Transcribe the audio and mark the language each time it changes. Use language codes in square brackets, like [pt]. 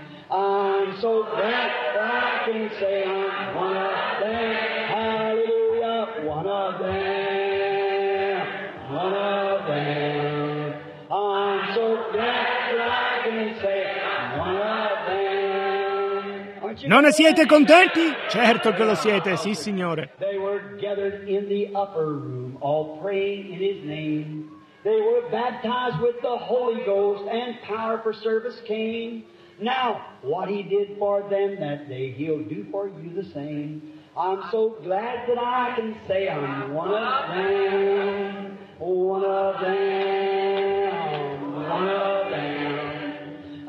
[en] I'm so glad that I can say I'm one of them. Hallelujah, one of them, one of them. I'm so glad that I can say I'm one of them. Aren't you glad? [it] Non ne siete contenti? Certo che lo siete, sì signore. [en] They were gathered in the upper room, all praying in his name. They were baptized with the Holy Ghost, and power for service came. Now, what he did for them that day, he'll do for you the same. I'm so glad that I can say I'm one of them, one of them, one of them.